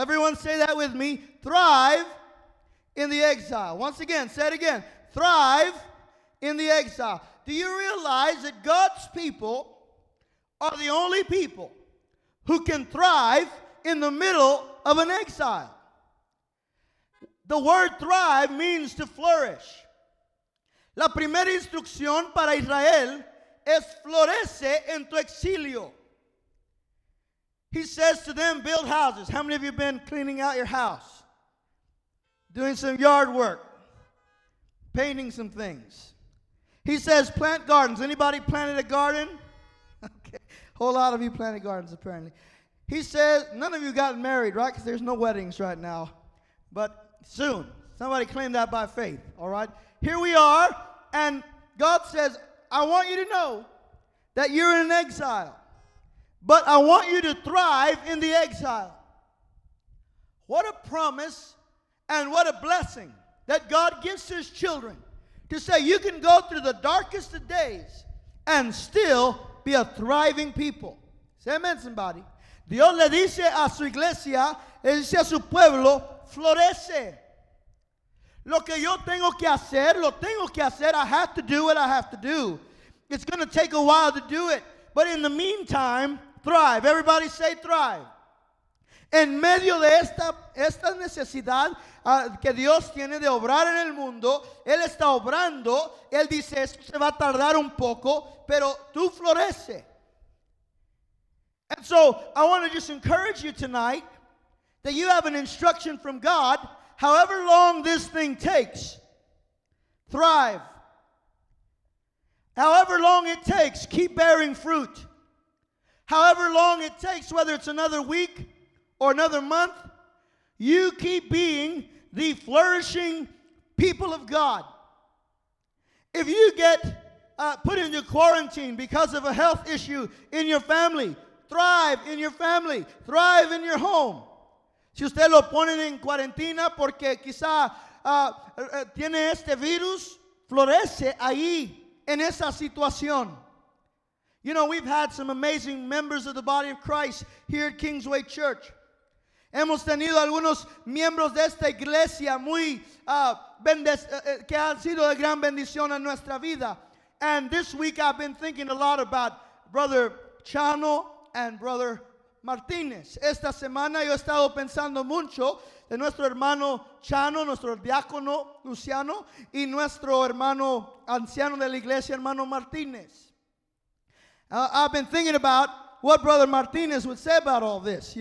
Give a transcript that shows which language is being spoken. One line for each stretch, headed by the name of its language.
English: Everyone say that with me. Thrive in the exile. Once again, say it again. Thrive in the exile. Do you realize that God's people are the only people who can thrive in the middle of an exile? The word thrive means to flourish.
Spanish: La primera instrucción para Israel es florece en tu exilio.
English: He says to them, build houses. How many of you have been cleaning out your house? Doing some yard work? Painting some things? He says, plant gardens. Anybody planted a garden? Okay. Whole lot of you planted gardens, apparently. He says, none of you got married, right? Because there's no weddings right now. But soon. Somebody claim that by faith, all right? Here we are, and God says, I want you to know that you're in exile. But I want you to thrive in the exile. What a promise and what a blessing that God gives to His children. To say you can go through the darkest of days and still be a thriving people. Say amen, somebody.
Spanish: Dios le dice a su iglesia, le dice a su pueblo, florece. Lo que yo tengo que hacer, lo tengo que hacer.
English: I have to do what I have to do. It's going to take a while to do it. But in the meantime, thrive. Everybody say thrive.
Spanish: En medio de esta necesidad que Dios tiene de obrar en el mundo, Él está obrando. Él dice, esto se va a tardar un poco, pero tú florece.
English: And so I want to just encourage you tonight that you have an instruction from God. However long this thing takes, thrive. However long it takes, keep bearing fruit. However long it takes, whether it's another week or another month, you keep being the flourishing people of God. If you get put into quarantine because of a health issue in your family, thrive in your family. Thrive in your home.
Spanish: Si usted lo pone en cuarentena porque quizá tiene este virus, florece ahí en esa situación.
English: You know, we've had some amazing members of the body of Christ here at Kingsway Church.
Spanish: Hemos tenido algunos miembros de esta iglesia muy que han sido de gran bendición a nuestra vida.
English: And this week I've been thinking a lot about Brother Chano and Brother Martinez.
Spanish: Esta semana yo he estado pensando mucho de nuestro hermano Chano, nuestro diácono Luciano, y nuestro hermano anciano de la iglesia, hermano Martinez.
English: I've been thinking about what Brother Martinez would say about all this.